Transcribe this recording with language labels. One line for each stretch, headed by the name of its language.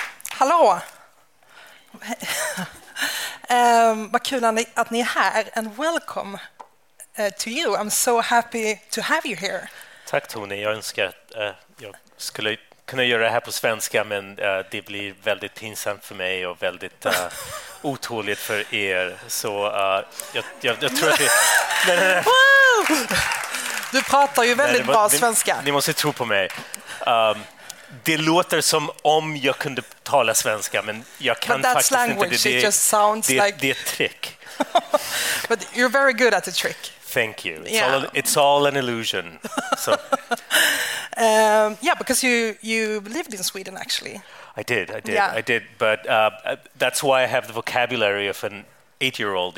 Swedish: Hallå! Vad kul att ni är här,
English: and welcome to you. I'm so happy to have you here.
Swedish: Tack Tony, jag önskar att jag skulle kunna göra det här på svenska, men det blir väldigt pinsamt för mig och väldigt otåligt för er. Så jag tror att vi... Wow! Du pratar ju väldigt bra svenska. Ni måste tro på mig. Det låter som om jag kunde tala svenska, men jag kan faktiskt
English: language.
Swedish: Inte.
English: It just sounds
Swedish: det,
English: like...
Swedish: det är ett trick.
English: But you're very good at the trick. Thank you. It's, yeah. it's all an illusion. So. Yeah, because you lived in Sweden, actually. I did. Yeah. I did, but that's why I have the vocabulary of an 8-year-old.